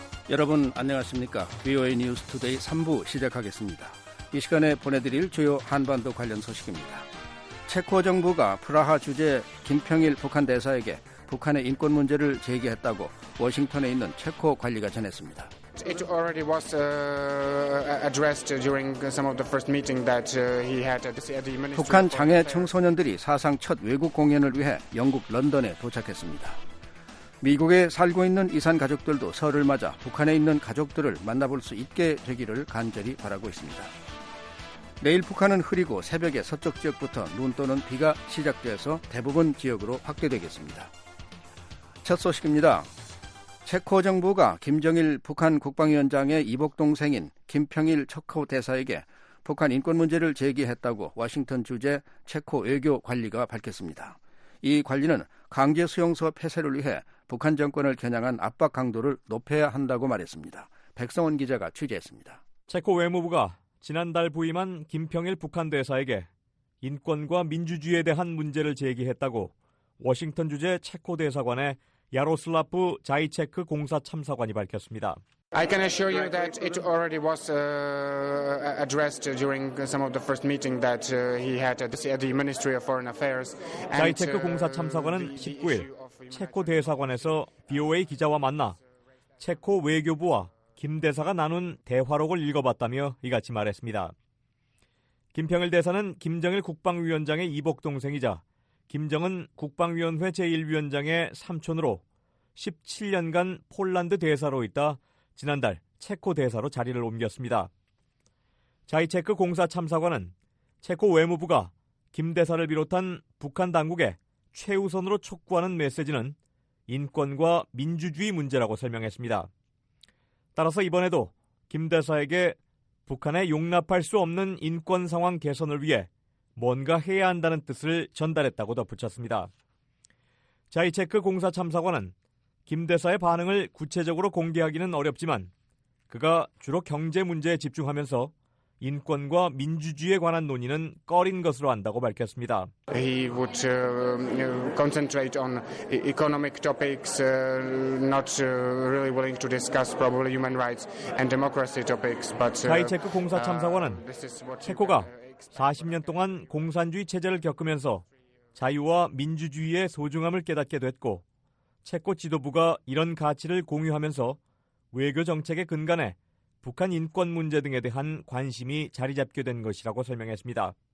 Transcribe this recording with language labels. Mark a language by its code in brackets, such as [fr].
[ko] 여러분 안녕하십니까? VOA 뉴스 투데이 3부 시작하겠습니다. 이 시간에 보내드릴 주요 한반도 관련 소식입니다. 체코 정부가 프라하 주재 김평일 북한 대사에게 북한의 인권 문제를 제기했다고 워싱턴에 있는 체코 관리가 전했습니다. [en] It already was addressed during some of the first meeting that he had at the ministry. [ko] 북한 장애 청소년들이 사상 첫 외국 공연을 위해 영국 런던에 도착했습니다. 미국에 살고 있는 이산 가족들도 설을 맞아 북한에 있는 가족들을 만나볼 수 있게 되기를 간절히 바라고 있습니다. 내일 북한은 흐리고 새벽에 서쪽 지역부터 눈 또는 비가 시작돼서 대부분 지역으로 확대되겠습니다. 첫 소식입니다. 체코 정부가 김정일 북한 국방위원장의 이복 동생인 김평일 체코 대사에게 북한 인권 문제를 제기했다고 워싱턴 주재 체코 외교 관리가 밝혔습니다. 이 관리는 강제 수용소 폐쇄를 위해 북한 정권을 겨냥한 압박 강도를 높여야 한다고 말했습니다. 백성원 기자가 취재했습니다. 체코 외무부가 지난달 부임한 김평일 북한 대사에게 인권과 민주주의에 대한 문제를 제기했다고 워싱턴 주재 체코 대사관의 야로슬라프 자이체크 공사 참사관이 밝혔습니다. [en] I can assure you that it already was addressed during some of the first meeting that he had at the Ministry of Foreign Affairs. [ko] 자이체크 공사 참사관은 19일 체코 대사관에서 VOA 기자와 만나 체코 외교부와 김 대사가 나눈 대화록을 읽어봤다며 이같이 말했습니다. 김평일 대사는 김정일 국방위원장의 이복 동생이자 김정은 국방위원회 제1위원장의 삼촌으로 17년간 폴란드 대사로 있다 지난달 체코 대사로 자리를 옮겼습니다. 자이체크 공사 참사관은 체코 외무부가 김 대사를 비롯한 북한 당국에 최우선으로 촉구하는 메시지는 인권과 민주주의 문제라고 설명했습니다. 따라서 이번에도 김 대사에게 북한에 용납할 수 없는 인권 상황 개선을 위해 뭔가 해야 한다는 뜻을 전달했다고 덧붙였습니다. 자이체크 공사 참사관은 김 대사의 반응을 구체적으로 공개하기는 어렵지만 그가 주로 경제 문제에 집중하면서 인권과 민주주의에 관한 논의는 꺼린 것으로 안다고 밝혔습니다. [en] He would concentrate on economic topics, not really willing to discuss probably human rights and democracy topics. But [ko] 자이체크 공사 참사관은 체코가 40년 동안 공산주의 체제를 겪으면서 자유와 민주주의의 소중함을 깨닫게 됐고 체코 지도부가 이런 가치를 공유하면서 외교 정책의 근간에 북한 인권 문제 등에 대한 관심이 자리 잡게 된 것이라고 설명했습니다.